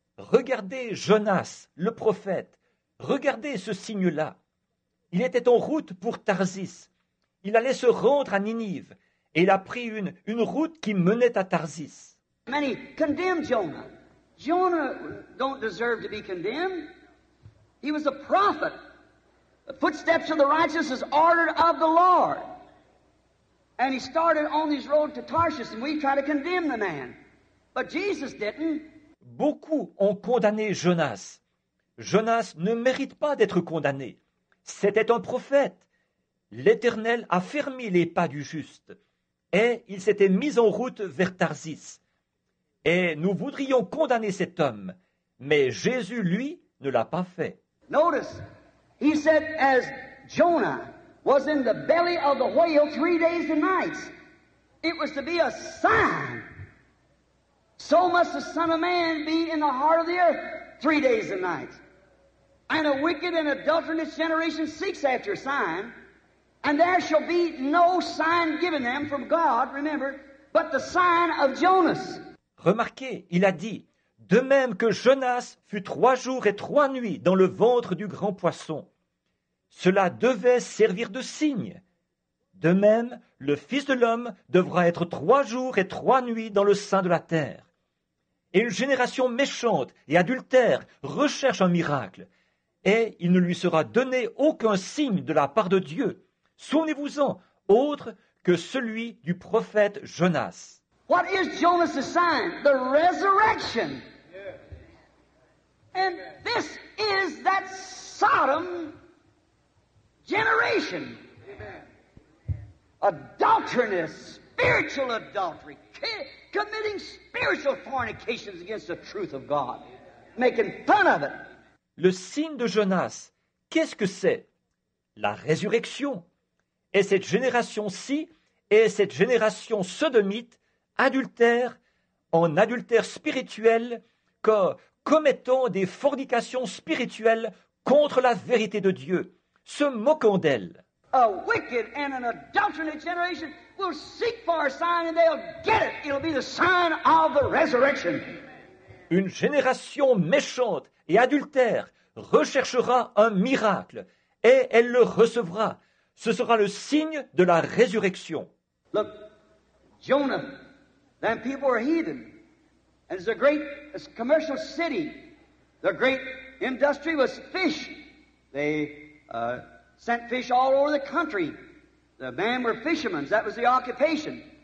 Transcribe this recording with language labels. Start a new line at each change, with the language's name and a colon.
French: Regardez Jonas, le prophète. Regardez ce signe-là. Il était en route pour Tarsis. Il allait se rendre à Ninive, et il a pris une route qui menait à Tarsis.
English: Many condemned Jonah. Jonah don't deserve to be condemned. He was a prophet. The footsteps of the righteous is ordered of the Lord. And he started on his road to Tarshish, and we try to condemn the man. But Jesus didn't.
French: Beaucoup ont condamné Jonas. Jonas ne mérite pas d'être condamné. C'était un prophète. L'Éternel a fermé les pas du juste. Et il s'était mis en route vers Tarsis. Et nous voudrions condamner cet homme. Mais Jésus, lui, ne l'a pas fait.
English: Notice. He said, as Jonah was in the belly of the whale 3 days and nights, it was to be a sign. So must the Son of Man be in the heart of the earth 3 days and nights. And a wicked and adulterous generation seeks after a sign, and there shall be no sign given them from God, remember, but the sign of Jonas.
French: Remarquez, il a dit, de même que Jonas fut 3 jours et 3 nuits dans le ventre du grand poisson. Cela devait servir de signe. De même, le Fils de l'homme devra être 3 jours et 3 nuits dans le sein de la terre. Et une génération méchante et adultère recherche un miracle. Et il ne lui sera donné aucun signe de la part de Dieu. Souvenez-vous-en, autre que celui du prophète Jonas.
English: What is Jonas' sign? The resurrection. And this is that Sodom generation. Adulterous, spiritual adultery, committing spiritual fornications against the truth of God, making fun of it.
French: Le signe de Jonas, qu'est-ce que c'est? La résurrection. Et cette génération-ci, et cette génération sodomite, adultère, en adultère spirituel, commettant des fornications spirituelles contre la vérité de Dieu, se moquant d'elle.
English: A wicked and an adulterate generation will seek for a sign and they'll get it. It'll be the sign of the resurrection.
French: Une génération méchante et adultère recherchera un miracle et elle le recevra. Ce sera le signe de la résurrection.
English: Look, Jonah, them people are heathen. And it's a great commercial city. The great industry was fish. They sent fish all over the country. The men were fishermen. That was the occupation.